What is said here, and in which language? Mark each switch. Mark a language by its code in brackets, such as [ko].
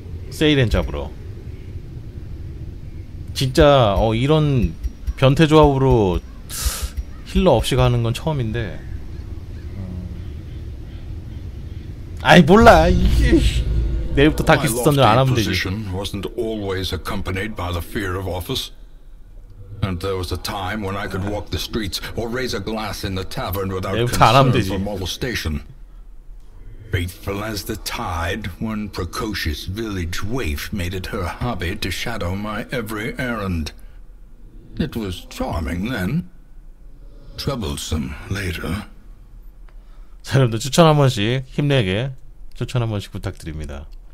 [ko] 세이렌 잡으러. 진짜 이런 변태 조합으로 힐러 없이 가는 건 처음인데. 아이 몰라. 내일부터 다키스 던전 안 하면 되지. [en] Wasn't always accompanied by the fear of office. And there was a time when I could walk the streets or raise a glass in the tavern without concern for molestation. Faithful as the tide, one precocious village waif made it her hobby to shadow my every errand. It was charming then, troublesome later. [ko] 자, 여러분들 추천 한 번씩 힘내게 추천 한 번씩 부탁드립니다.